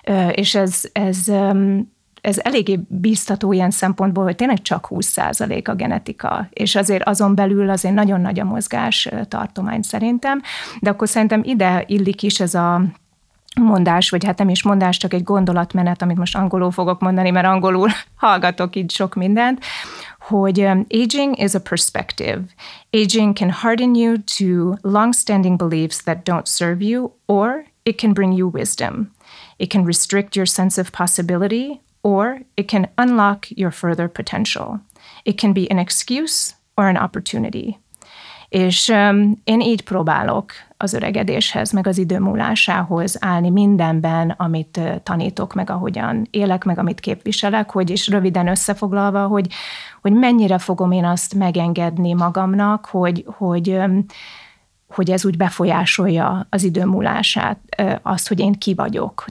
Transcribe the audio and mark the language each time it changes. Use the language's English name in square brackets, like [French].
[Hungarian] És ez eléggé biztató ilyen szempontból, hogy tényleg csak 20% a genetika, és azért azon belül azért nagyon nagy a mozgás tartomány szerintem, de akkor szerintem ide illik is ez a mondás, vagy hát nem is mondás, csak egy gondolatmenet, amit most angolul fogok mondani, mert angolul hallgatok így sok mindent, hogy [English] aging is a perspective. Aging can harden you to long-standing beliefs that don't serve you, or it can bring you wisdom. It can restrict your sense of possibility, or it can unlock your further potential. It can be an excuse or an opportunity. [Hungarian] És én így próbálok az öregedéshez, meg az időmúlásához állni mindenben, amit tanítok, meg ahogyan élek, meg amit képviselek, hogy is röviden összefoglalva, hogy mennyire fogom én azt megengedni magamnak, hogy ez úgy befolyásolja az időmúlását, azt, hogy én ki vagyok.